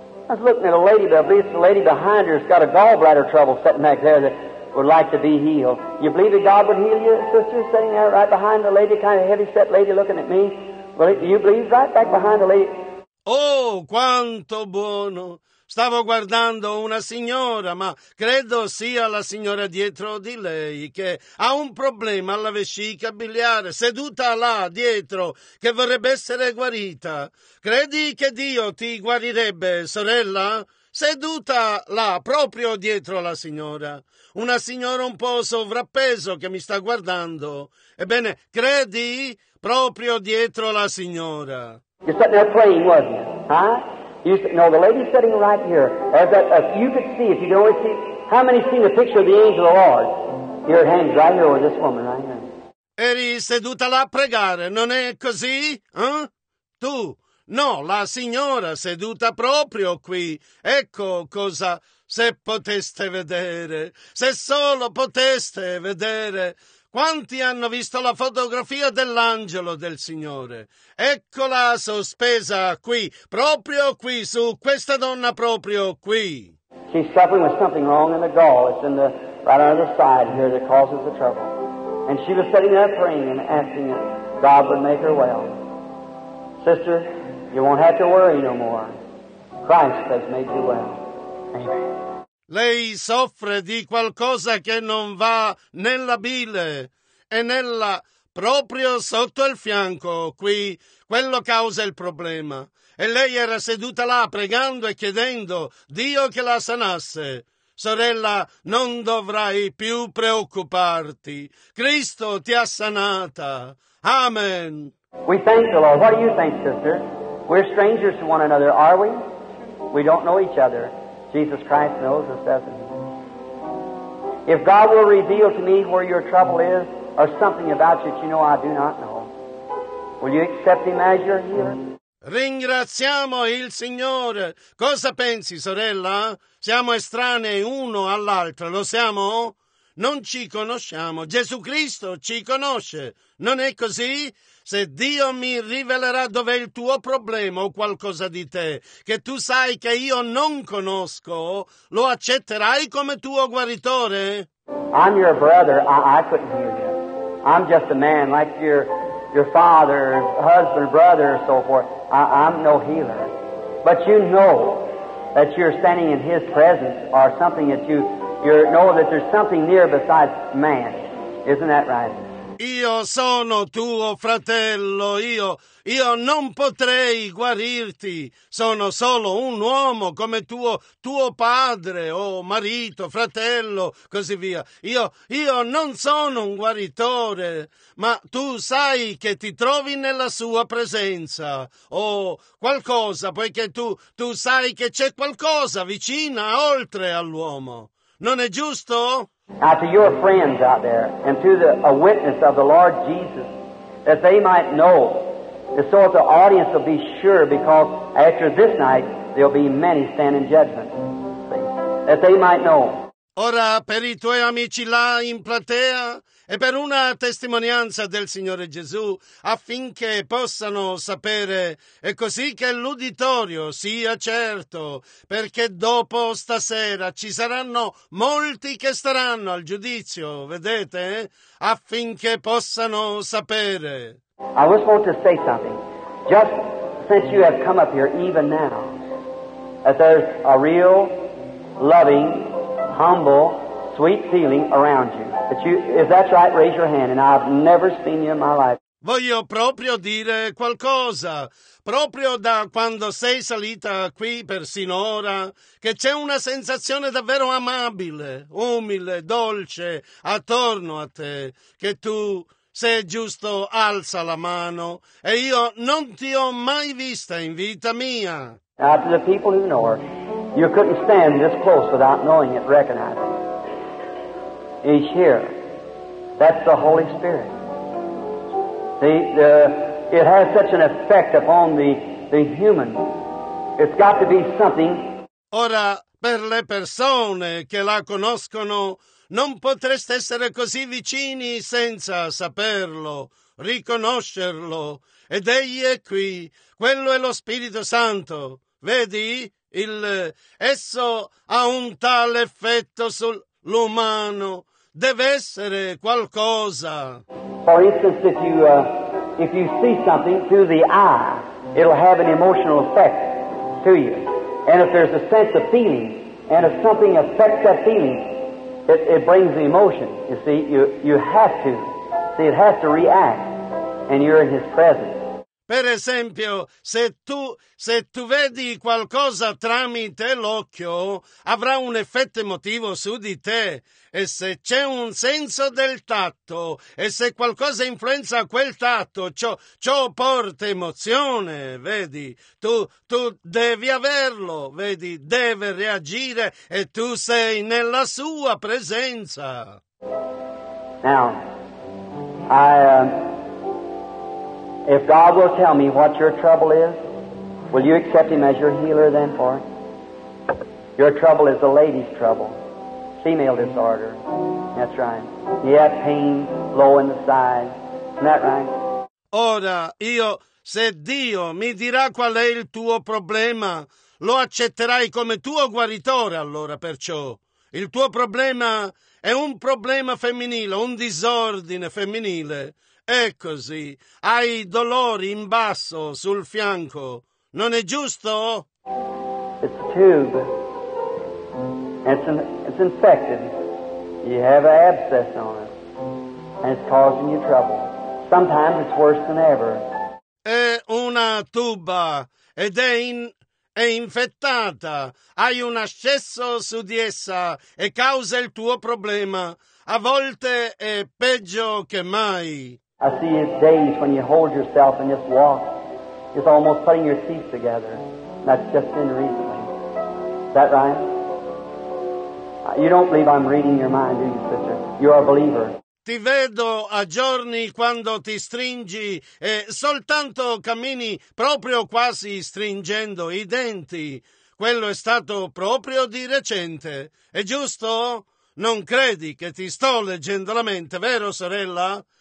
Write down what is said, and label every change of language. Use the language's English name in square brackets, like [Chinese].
[English] I was looking at a lady, but I believe it's the lady behind her. She's got a gallbladder trouble sitting back there that would like to be healed. You believe that God would heal you, sister, sitting there right behind the lady, kind of heavy-set lady looking at me? Well, do you believe right back behind the lady? [Italian] Oh, quanto buono! Stavo guardando una signora, ma credo sia la signora dietro di lei che ha un problema alla vescica biliare, seduta là dietro, che vorrebbe essere guarita. Credi che Dio ti guarirebbe, sorella? Seduta là, proprio dietro la signora. Una signora un po' sovrappeso che mi sta guardando. Ebbene, credi proprio dietro la signora. [English] You're sitting there praying, wasn't you? Huh? No, the lady sitting right here. As you could see, if you could only see, how many seen the picture of the angel of the Lord? Your hands right here with this woman right here. [Italian] Eri seduta là a pregare, non è così? Tu? No, la signora seduta proprio qui. Ecco cosa, se poteste vedere, se solo poteste vedere. Quanti hanno visto la fotografia dell'angelo del Signore? Eccola sospesa qui, proprio qui, su questa donna proprio qui. [English] She's suffering with something wrong in the gall. It's in the right under the side here that causes the trouble. And she was sitting there praying and asking that God would make her well. Sister, you won't have to worry no more. Christ has made you well. Amen. [Italian] Lei soffre di qualcosa che non va nella bile e nella proprio sotto il fianco qui, quello causa il problema. E lei era seduta là pregando e chiedendo Dio che la sanasse. Sorella, non dovrai più preoccuparti. Cristo ti ha sanata. Amen. [English] We thank the Lord. What do you think, sister? We're strangers to one another, are we? We don't know each other. Jesus Christ knows us, doesn't he? If God will reveal to me where your trouble is, or something about you that you know I do not know, will you accept him as your healer? [Italian] Ringraziamo il Signore. Cosa pensi, sorella? Siamo estranei uno all'altro, lo siamo? Non ci conosciamo. Gesù Cristo ci conosce. Non è così? Se Dio mi rivelerà dov'è il tuo problema o qualcosa di te, che tu sai che io non conosco, lo accetterai come tuo guaritore? [English] I'm your brother. I couldn't hear you. I'm just a man like your father, husband, brother, and so forth. I'm no healer. But you know that you're standing in his presence or something that you know that there's something near besides man. Isn't that right? [Italian] Io sono tuo fratello, io non potrei guarirti, sono solo un uomo come tuo padre o marito, fratello, così via. Io non sono un guaritore, ma tu sai che ti trovi nella sua presenza o qualcosa, poiché tu sai che c'è qualcosa vicina, oltre all'uomo. Non è giusto? [English] Now to your friends out there and to a witness of the Lord Jesus, that they might know, and so that the audience will be sure, because after this night there'll be many stand in judgment. See? That they might know. [Italian] Ora per i tuoi amici là in platea e per una testimonianza del Signore Gesù, affinché possano sapere, e così che l'uditorio sia certo, perché dopo stasera ci saranno molti che staranno al giudizio, vedete? Affinché possano sapere. [English] I just want to say something. Just since you have come up here, even now, that there's a real, loving, humble, sweet feeling around you. That you, if that's right, raise your hand, and I've never seen you in my life. [Italian] Voglio proprio dire qualcosa, proprio da quando sei salita qui per sinora, che c'è una sensazione davvero amabile, umile, dolce attorno a te, che tu sei giusto, alza la mano, e io non ti ho mai vista in vita mia. [English] Now, to the people who know her, you couldn't stand this close without knowing it, recognizing it. He's here. That's the Holy Spirit. See, it has such an effect upon the human. It's got to be something. [Italian] Ora, per le persone che la conoscono, non potreste essere così vicini senza saperlo, riconoscerlo. Ed egli è qui. Quello è lo Spirito Santo. Vedi? Esso ha un tale effetto sul... l'umano deve essere qualcosa. [English] For instance, if you see something through the eye, it'll have an emotional effect to you. And if there's a sense of feeling, and if something affects that feeling, it brings the emotion. You see, you have to. See, it has to react, and you're in his presence. [Italian] Per esempio, se tu vedi qualcosa tramite l'occhio, avrà un effetto emotivo su di te. E se c'è un senso del tatto, e se qualcosa influenza quel tatto, ciò porta emozione, vedi? Tu devi averlo, vedi? Deve reagire e tu sei nella sua presenza. [English] Now, if God will tell me what your trouble is, will you accept him as your healer then for it? Your trouble is a lady's trouble, female disorder. That's right. He had pain low in the side. Isn't that right? [Italian] Ora, io, se Dio mi dirà qual è il tuo problema, lo accetterai come tuo guaritore allora, perciò. Il tuo problema è un problema femminile, un disordine femminile. È così. Hai dolori in basso, sul fianco. Non è giusto? [English] It's a tube. It's infected. You have an abscess on it. And it's causing you trouble. Sometimes it's worse than ever. [Italian] È una tuba. Ed è infettata. Hai un ascesso su di essa. E causa il tuo problema. A volte è peggio che mai. [English] I see it's days when you hold yourself and just walk. It's almost putting your teeth together. That's just been recently. Is that right? You don't believe I'm reading your mind, do you, sister? You're a believer. [Italian] Ti vedo a giorni quando ti stringi e soltanto cammini proprio quasi stringendo i denti. Quello è stato proprio di recente. È giusto? Non credi che ti sto leggendo la mente, vero sorella?